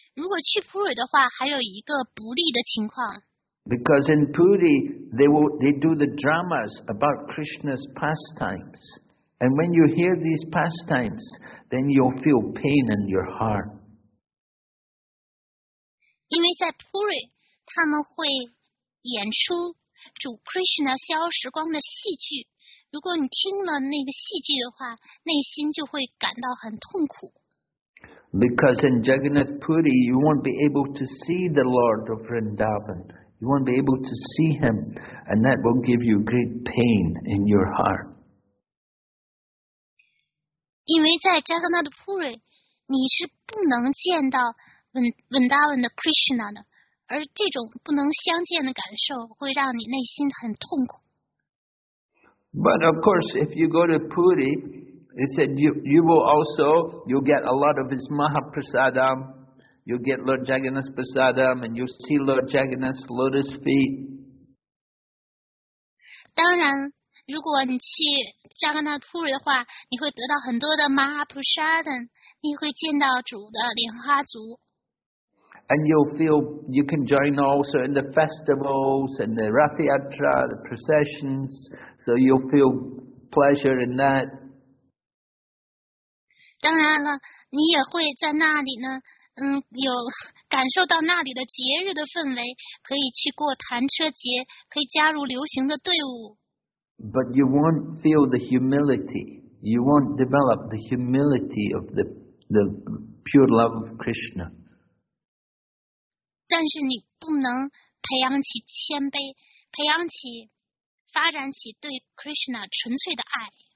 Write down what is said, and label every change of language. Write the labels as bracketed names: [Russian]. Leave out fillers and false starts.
[Chinese] 如果去普瑞的话，还有一个不利的情况。 [English] Because in Puri they do the dramas about Krishna's pastimes, and when you hear these pastimes, then you'll feel pain in your heart. [Chinese] 因为在普瑞，他们会演出主 Krishna 逍遥时光的戏剧。如果你听了那个戏剧的话，内心就会感到很痛苦。 [English] Because in Jagannath Puri, you won't be able to see the Lord of Vrindavan. You won't be able to see him, and that will give you great pain in your heart. [Chinese] 因为在 Jagannath Puri, 你是不能见到 Vrindavan 的 Krishna 的，而这种不能相见的感受会让你内心很痛苦。 [English] But of course, if you go to Puri,He said, you'll get a lot of his Mahaprasadam, you'll get Lord Jagannath's Prasadam, and you'll see Lord Jagannath's lotus feet. [Chinese] 当然，如果你去 Jagannath Puri 的话，你会得到很多的 Mahaprasadam, 你会见到主的莲花足。 [English] And you'll feel, you can join also in the festivals, and the Rath Yatra, the processions, so you'll feel pleasure in that. [Chinese] 当然了，你也会在那里呢，有感受到那里的节日的氛围，可以去过弹车节，可以加入流行的队伍。 [English] But you won't feel the humility. You won't develop the humility of the pure love of Krishna. [Chinese] 但是你不能培养起谦卑，培养起、发展起对 Krishna 纯粹的爱。